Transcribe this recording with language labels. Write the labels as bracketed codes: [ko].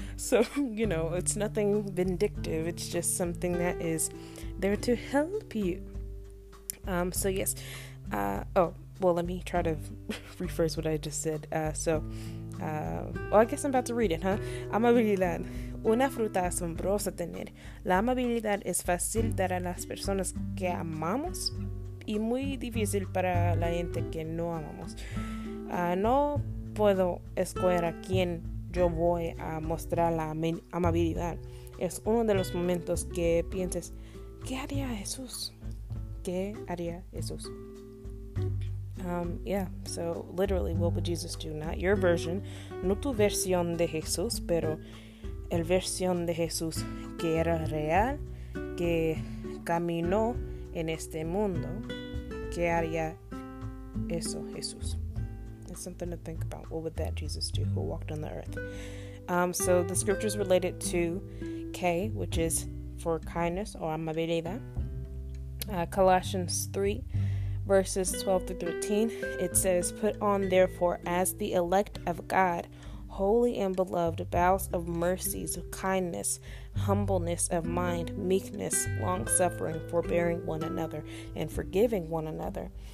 [en] So, you know, it's nothing vindictive. It's just something that is there to help you. Let me try to rephrase what I just said. I guess I'm about to read it, huh? [es] Amabilidad. Una fruta asombrosa tener. La amabilidad es fácil dar a las personas que amamos y muy difícil para la gente que no amamos. No puedo escoger a quién yo voy a mostrar la amabilidad. Es uno de los momentos que pienses, ¿qué haría Jesús? ¿Qué haría Jesús? [en] So literally, what would Jesus do? Not your version, [es] no tu versión de Jesús, pero el versión de Jesús que era real, que caminó en este mundo. ¿Qué haría eso Jesús? [en] It's something to think about. What would that Jesus do who walked on the earth? So the scriptures related to K, which is for kindness or amabilidad. Colossians 3, verses 12 through 13, it says, "Put on, therefore, as the elect of God, holy and beloved, bowels of mercies, kindness, humbleness of mind, meekness, long-suffering, forbearing one another, and forgiving one another.